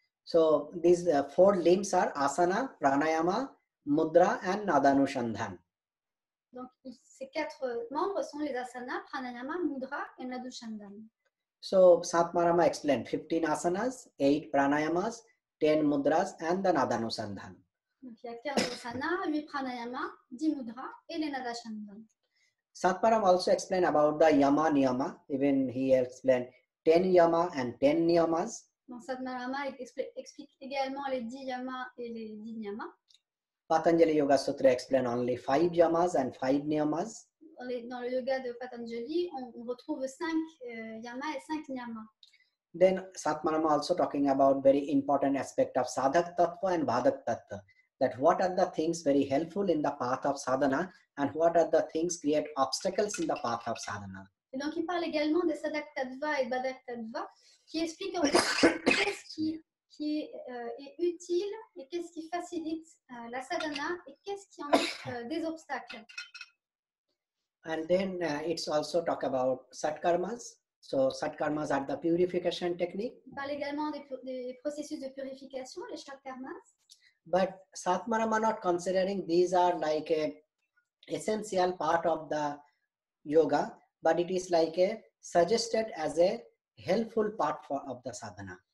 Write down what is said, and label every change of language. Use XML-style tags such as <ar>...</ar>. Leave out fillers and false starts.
<en>So these four limbs are asana, pranayama, mudra and nadanushandhan.</en> <fr>Donc ces quatre membres sont les asanas, pranayama, mudra et nadanushandhan.</fr> <en>So Satmarama explained 15 asanas, 8 pranayamas, 10 mudras and the nadanushandhan.</en> <fr>Donc il y a 15 asanas, 8 pranayamas, 10 mudras et les nadanushandhan.</fr> <en>Satmarama also explained about the yama niyama, even he explained 10 yama and 10 niyamas.</en> <fr>Donc Satmarama explique également les 10 yamas et les 10 niyamas.</fr> <en>Patanjali Yoga Sutra explains only 5 yamas and 5 niyamas.</en> <fr>Dans le yoga de Patanjali, on retrouve 5 yamas et 5 niyamas.</fr> <en>Then Satmarama also talking about very important aspect of sadhak tattva and badhak tattva. That what are the things very helpful in the path of sadhana and what are the things create obstacles in the path of sadhana.</en> <fr>Et donc il parle également de sadhak tattva et badhak tattva qui explique en fait qu'est-ce qui est utile et qu'est-ce qui facilite la sadhana et qu'est-ce qui en est des obstacles.</fr> <en>And then it's also talk about satkarmas. So satkarmas are the purification technique.</en> <fr>Il parle également des processus de purification, les satkarmas.</fr> <en>But Satmarama not considering these are like an essential part of the yoga, but it is like a suggested as a helpful part of the sadhana.</en>